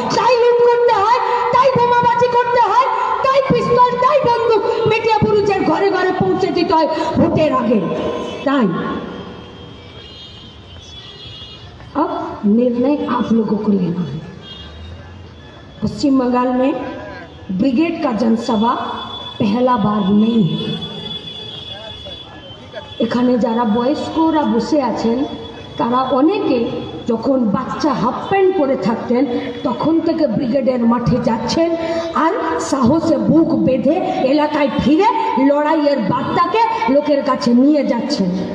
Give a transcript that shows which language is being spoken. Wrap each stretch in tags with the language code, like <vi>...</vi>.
<bn>তাই লুট করতে হয়, তাই বোমাবাজি করতে হয়, তাই পিস্তল, তাই বন্দুক মেটিয়া পুরুষের ঘরে ঘরে পৌঁছে দিতে হয় ভোটের আগে। তাই নির্ণয়</bn> <hi>আপ লোক</hi> <bn>করলেন পশ্চিম বঙ্গাল মে</bn> <hi>ब्रिगेड का जनसभा पहला बार नहीं है।</hi> <bn>এখানে যারা বয়স্করা বসে আছেন তারা অনেকে যখন বাচ্চা হাফ প্যান্ট পরে থাকতেন তখন থেকে ব্রিগেডের মাঠে যাচ্ছেন আর সাহসে বুক বেঁধে এলাকায় ফিরে লড়াইয়ের বার্তাকে লোকের কাছে নিয়ে যাচ্ছেন।</bn>